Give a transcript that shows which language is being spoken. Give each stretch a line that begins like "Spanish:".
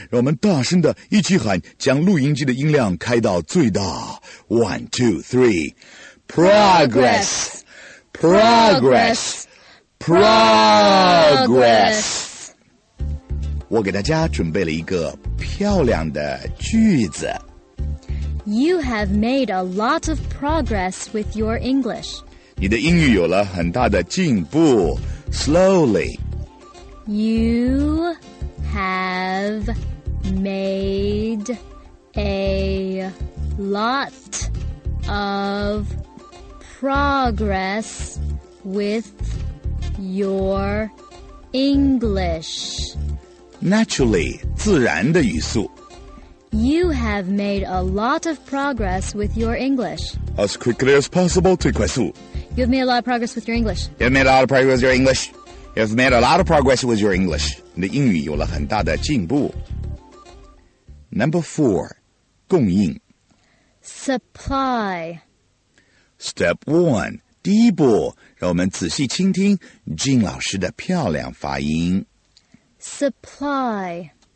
Chinese: 让我们大声的一起喊将录音机的音量开到最大。
English: One, two, three. Progress. Progress. Progress. Progress.
Chinese: 我给大家准备了一个漂亮的句子。
English: You have made a lot of progress with your English.
Chinese: 你的英语有了很大的进步。
English: Slowly. You have made a lot of progress with your English. Naturally,
Chinese: 自然的语速。
English: You have made a lot of progress with your English. As quickly as possible,
Chinese: 最快速。
English: You've made a lot of progress with your English. You've made a lot of progress with your English. You've made a lot of progress with your English.
Chinese: 你的英语有了很大的进步。
English: Number 4,
Chinese: 供应。
English: Supply. Step 1.
Chinese: 第一步，让我们仔细倾听 Jean 老师的漂亮发音。
English: Supply.